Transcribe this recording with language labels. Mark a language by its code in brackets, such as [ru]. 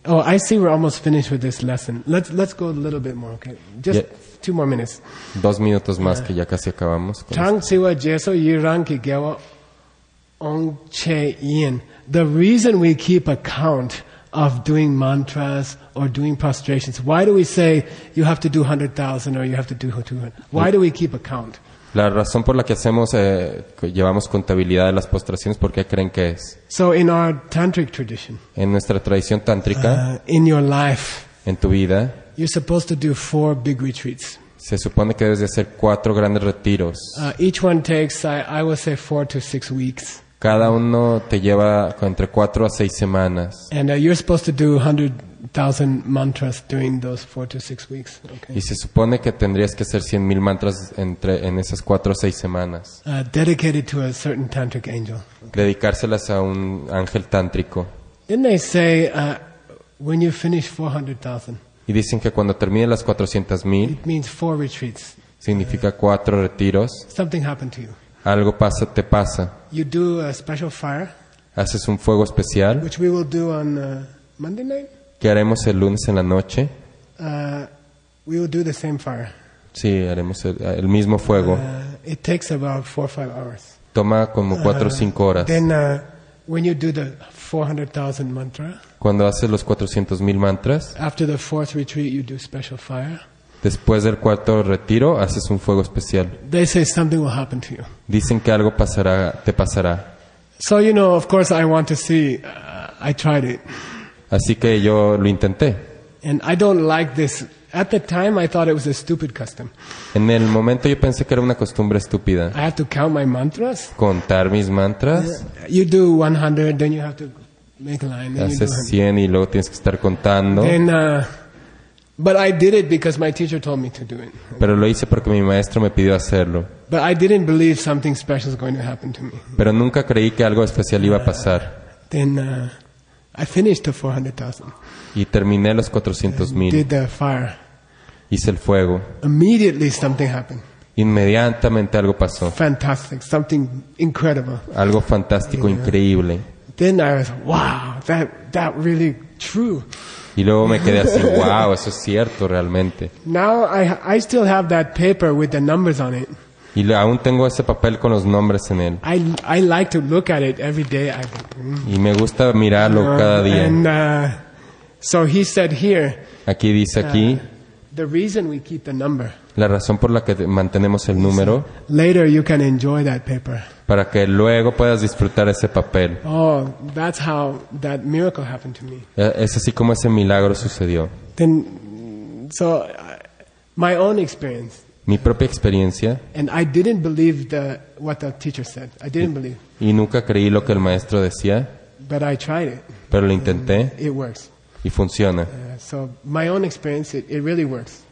[en] Oh, I see we're almost finished with this lesson. Let's go a little bit more, okay? Just 2 more minutes. [es] 2 minutos más que ya casi acabamos. [bo] Chang siwa jeso yiran ki gewa ong che yin. [en] The reason we keep a count of doing mantras or doing prostrations. Why do we say you have to do 100,000 or you have to do 200? Why do we keep a count? [es] La razón por la que hacemos llevamos contabilidad de las postraciones, ¿por qué creen que es? [en] So in our tantric tradition. [es] En nuestra tradición tántrica. [en] In your life. [es] En tu vida. [en] You're supposed to do four big retreats. [es] Se supone que debes de hacer cuatro grandes retiros. [en] Each one takes, I would say, 4 to 6 weeks. [es] Cada uno te lleva entre 4 a 6 semanas. [en] And you're supposed to do 100,000 mantras during those 4 to 6 weeks. [es] Okay. Y se supone que tendrías que hacer 100,000 mantras en esas 4 o 6 semanas. [en] Dedicated to a certain tantric angel. Okay. [es] Dedicárselas a un ángel tántrico. [en] Then they say, when you finish 400,000. [es] Y dicen que cuando termine las 400,000. [en] It means 4 retreats. [es] Significa 4 retiros. [en] Something happened to you. [es] Algo pasa, te pasa. [en] You do a special fire. [es] Haces un fuego especial. [en] Which we will do on Monday night. [es] Que haremos el lunes en la noche. [en] We will do the same fire. [es] Sí, haremos el mismo fuego. [en] It takes about 4 or 5 hours. [es] Toma como 4 o 5 horas. [en] Then when you do the 400,000 mantra. [es] Cuando haces los 400,000 mantras. [en] After the 4th retreat, you do special fire. [es] Después del 4th retiro, haces un fuego especial. [en] They say something will happen to you. [es] Dicen que algo pasará, te pasará. [en] So you know, of course, I want to see. I tried it. [es] Así que yo lo intenté. [en] And I don't like this. At the time, I thought it was a stupid custom. [es] En el momento yo pensé que era una costumbre estúpida. [en] I have to count my mantras. [es] Contar mis mantras. [en] You do 100, then you have to make a line. [es] Haces 100 y luego tienes que estar contando. [en] Then, but I did it because my teacher told me to do it. [es] Pero lo hice porque mi maestro me pidió hacerlo. [en] But I didn't believe something special was going to happen to me. [es] Pero nunca creí que algo especial iba a pasar. [en] Then I finished the 400,000. [es] Y terminé los 400,000. [en] Did the fire. [es] Hice el fuego. [en] Immediately something happened. [es] Inmediatamente algo pasó. [en] Fantastic, something incredible. [es] Algo fantástico, increíble. [en] Then I was, wow, that really true. [es] Y luego me quedé así, wow, eso es cierto realmente. [en] Now I still have that paper with the numbers on it. [es] Y aún tengo ese papel con los nombres en él. [en] I like to look at it every day. [es] Y me gusta mirarlo cada día. [en] And, so he said here. [es] Aquí dice aquí. [en] The reason we keep the number. [es] La razón por la que mantenemos el número. [en] Later you can enjoy that paper. [es] Para que luego puedas disfrutar ese papel. [en] Oh, that's how that miracle happened to me. [es] Es así como ese milagro sucedió. [en] Then, so my own experience. [es] Mi propia experiencia. [en] And I didn't believe what the teacher said. I didn't believe. [es] Y nunca creí lo que el maestro decía. [en] But I tried it. [es] Pero lo intenté. [en] It works. [es] Y funciona. [en] So my own experience, it really works.